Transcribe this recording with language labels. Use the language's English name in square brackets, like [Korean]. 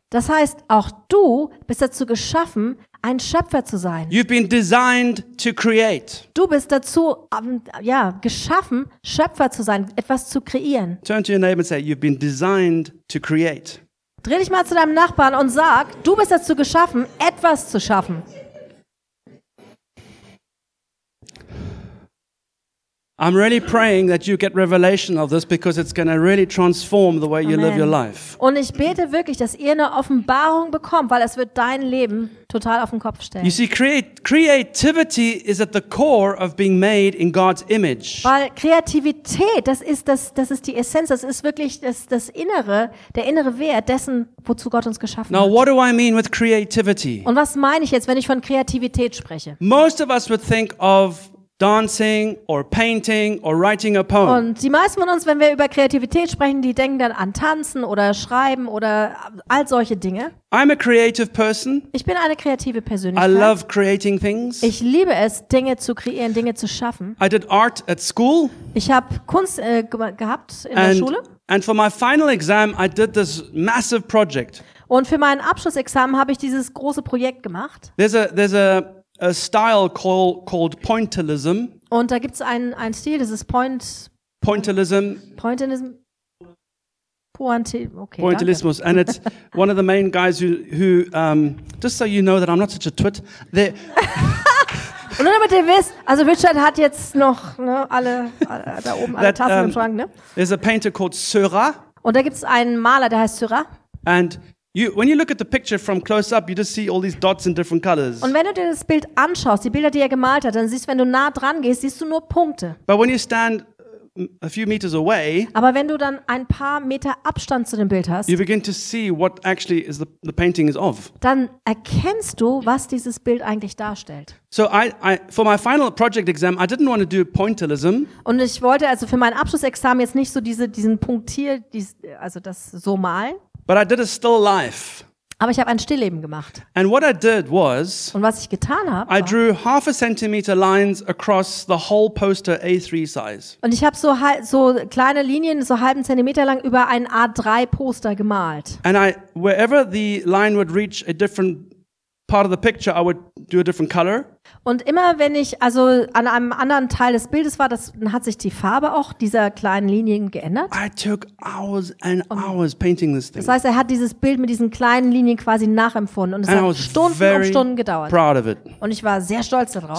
[German] Das heißt, auch du bist dazu geschaffen, ein Schöpfer zu sein. [English] You've been designed to create. [German] Du bist dazu, geschaffen, Schöpfer zu sein, etwas zu kreieren. [English] Turn to your neighbor and say, you've been designed to create. [German] Dreh dich mal zu deinem Nachbarn und sag, du bist dazu geschaffen, etwas zu schaffen. [English] I'm really praying that you get revelation of this because it's going to really transform the way you live your life. [German] Und ich bete wirklich, dass ihr eine Offenbarung bekommt, weil es wird dein Leben total auf den Kopf stellen. [English] You see, creativity is at the core of being made in God's image. [German] Weil Kreativität, das ist die Essenz, das ist wirklich das Innere, der innere Wert dessen, wozu Gott uns geschaffen hat. [English] Now, what do I mean with creativity? [German] Und was meine ich jetzt, wenn ich von Kreativität spreche? [English] Most of us would think of dancing or painting or writing a poem. [German] Und die meisten von uns, wenn wir über Kreativität sprechen, die denken dann an Tanzen oder Schreiben oder all solche Dinge. [English] I'm a creative person. [German] Ich bin eine kreative Persönlichkeit. [English] I love creating things. [German] Ich liebe es, Dinge zu kreieren, Dinge zu schaffen. [English] I did art at school. [German] Ich habe Kunst gehabt in der Schule. [English] And for my final exam, I did this massive project. [German] Und für mein Abschlussexamen habe ich dieses große Projekt gemacht. [English] There's a style called pointillism. [German] Und da gibt's einen Stil, das ist [English] pointillism. Pointillism. Okay, [German] pointillismus. Danke. [English] And it's one of the main guys who just so you know that I'm not such a twit. [German] Und nur damit ihr wisst, also Richard hat jetzt noch alle da oben alle Tassen im Schrank, ne? [English] There's a painter called Seurat. [German] Und da gibt's einen Maler, der heißt Seurat. [English] And you, when you look at the picture from close up, you just see all these dots in different colors. [German] Und wenn du dir das Bild anschaust, die Bilder, die er gemalt hat, dann siehst du, wenn du nah dran gehst, siehst du nur Punkte. [English] But when you stand a few meters away, [German] aber wenn du dann ein paar Meter Abstand zu dem Bild hast, [English] you begin to see what actually is the painting is of. [German] Dann erkennst du, was dieses Bild eigentlich darstellt. [English] So I for my final project exam, I didn't want to do pointillism. [German] Und ich wollte also für mein Abschlussexamen jetzt nicht so diesen Punktier, also das so malen. [English] But I did a still life. [German] Aber ich habe ein Stillleben gemacht. [English] And what I did was, [German] und was ich getan habe, [English] I drew half a centimeter lines across the whole poster A3 size. [German] Und ich habe so kleine Linien, so halben Zentimeter lang über ein A3 Poster gemalt. [English] And I, wherever the line would reach a different part of the picture, I would do a different color. [German] Und immer wenn ich also an einem anderen Teil des Bildes war, dann hat sich die Farbe auch dieser kleinen Linien geändert. [English] I took hours and hours painting this thing. [German] Das heißt, er hat dieses Bild mit diesen kleinen Linien quasi nachempfunden und es hat Stunden um Stunden gedauert. [English] Proud of it. [German] Und ich war sehr stolz darauf.